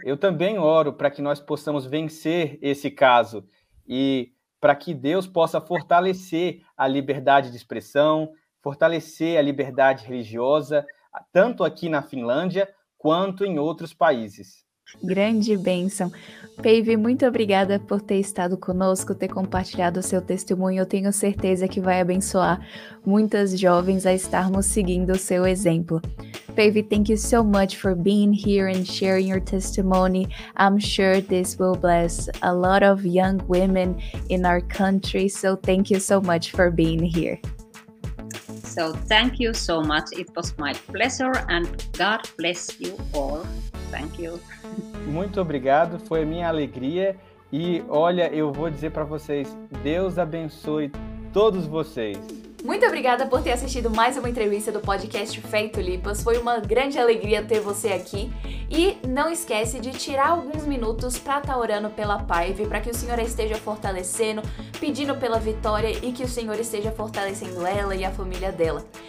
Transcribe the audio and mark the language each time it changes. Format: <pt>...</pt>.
<pt>Eu também oro para que nós possamos vencer esse caso e para que Deus possa fortalecer a liberdade de expressão, fortalecer a liberdade religiosa, tanto aqui na Finlândia quanto em outros países. Grande bênção. Paive, muito obrigada por ter estado conosco, ter compartilhado o seu testemunho. Eu tenho certeza que vai abençoar muitas jovens a estarmos seguindo o seu exemplo.</pt> <en>Paive, thank you so much for being here and sharing your testimony. I'm sure this will bless a lot of young women in our country. So thank you so much for being here. So thank you so much. It was my pleasure and God bless you all. Thank you.</en> <pt>Muito obrigado, foi a minha alegria. E olha, eu vou dizer para vocês, Deus abençoe todos vocês. Muito obrigada por ter assistido mais uma entrevista do podcast Feito Lipas. Foi uma grande alegria ter você aqui. E não esquece de tirar alguns minutos para estar orando pela Paive, para que o Senhor esteja fortalecendo, pedindo pela vitória e que o Senhor esteja fortalecendo ela e a família dela.</pt>